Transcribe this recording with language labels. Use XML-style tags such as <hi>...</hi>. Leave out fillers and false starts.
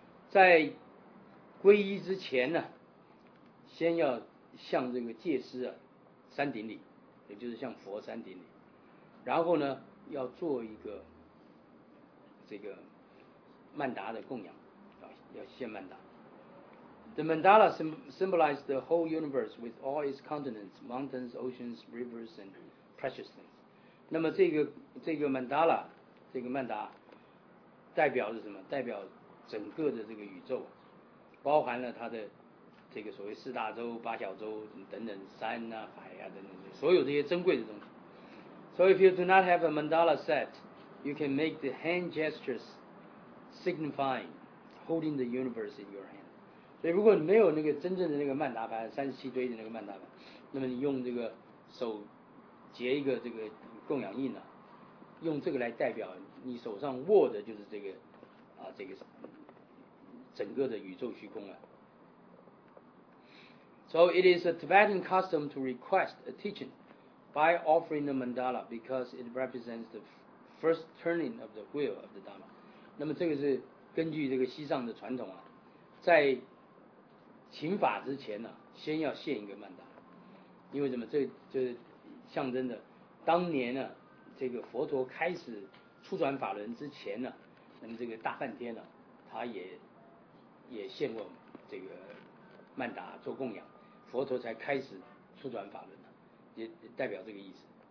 <zh>在皈依之前呢，先要向这个戒师啊三顶礼，也就是向佛三顶礼，然后呢要做一个这个曼达的供养，要献曼达。</zh> <en>The mandala symbolizes the whole universe with all its continents, mountains, oceans, rivers, and precious things.</en> <zh>那么这个 mandala 这个曼达代表着什么？代表整个的这个宇宙。包含了他的这个所谓四大洲、八小洲等等，山啊、海啊等等，所有这些珍贵的东西。</zh> <en>So if you do not have a mandala set, you can make the hand gestures signifying holding the universe in your hand.</en> <zh>所以如果你没有那个真正的那个曼达盘，37堆的那个曼达盘，那么你用这个手结一个这个供养印呢、啊，用这个来代表你手上握的就是这个啊这个。整个的宇宙虚空啊。</zh> <en>So it is a Tibetan custom to request a teaching by offering the mandala because it represents the first turning of the wheel of the Dharma.</en> <zh>那么这个是根据这个西藏的传统啊，在请法之前呢、啊，先要献一个曼达，因为什么？这象征的当年呢、啊，这个佛陀开始初转法轮之前呢、啊，那么这个大梵天呢、啊，他也献过这个曼达做供养，佛陀才开始初转法轮，也代表这个意思。</zh>